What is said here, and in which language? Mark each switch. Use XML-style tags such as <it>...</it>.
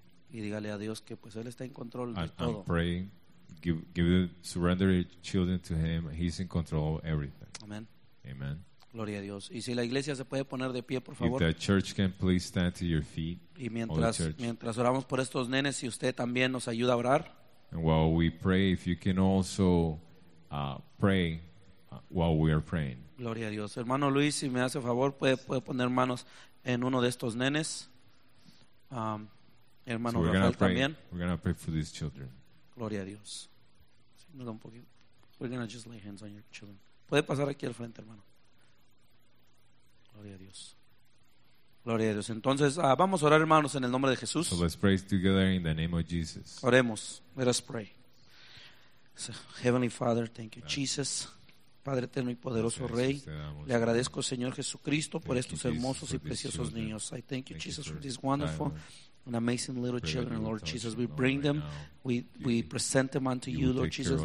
<es>Y dígale a Dios que pues él está en control</es> <en>and,</en> <es>de todo.</es> <en>And pray, surrender your children to him. He's in control of everything. Amen. Amen.</en> <es>Gloria a Dios. Y si la iglesia se puede poner de pie, por favor.</es> <en>If the church can please stand to your feet.</en> <es>Y mientras oramos por estos nenes, si usted también nos ayuda a orar.</es> <en>And while we pray, if you can also pray while we are praying.</en> <es>Gloria a Dios. Hermano Luis, si me hace favor, puede poner manos en uno de estos nenes. Hermano</es> <en>so</en> <es>Rafael también.</es> <en>We're going to pray for these children.</en> <es>Gloria a Dios.</es> <en>We're going to just lay hands on your children.</en> <es>Puede pasar aquí al frente, hermano. Gloria a Dios. Gloria a Dios. Entonces, vamos a orar, hermanos, en el nombre de Jesús.</es> <en>So let's pray together in the name of Jesus.</en> <es>Oremos.</es> <en>Let us pray. So, Heavenly Father, thank you, Jesus.</en> <es>Padre eterno y poderoso Rey, le agradezco, Señor Jesucristo, por estos hermosos y preciosos niños.</es> <en>I thank you, Jesus, for these wonderful And amazing little children, Lord Jesus, we bring them, we present them unto you, Lord Jesus.</en>